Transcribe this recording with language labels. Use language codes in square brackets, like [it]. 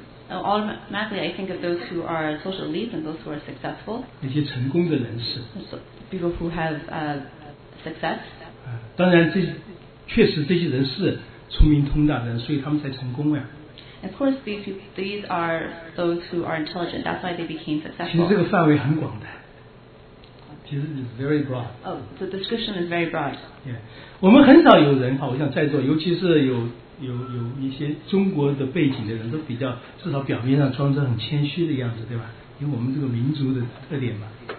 [en] Automatically, I think of those who are social elites and those who are successful. [zh] 那些成功的人士。 [en] People who have success. [zh] 当然这确实这些人是聪明通达的人，所以他们才成功呀。 [en] Of course, these are those who are intelligent. That's why they became successful. [zh] 其实这个范围很广的。 [en] 其实 is very broad. Oh, the description is very broad. [zh] Yeah, 我们很少有人哈，我想在座，尤其是有一些中国的背景的人都比较，至少表面上装着很谦虚的样子，对吧？因为我们这个民族的特点嘛。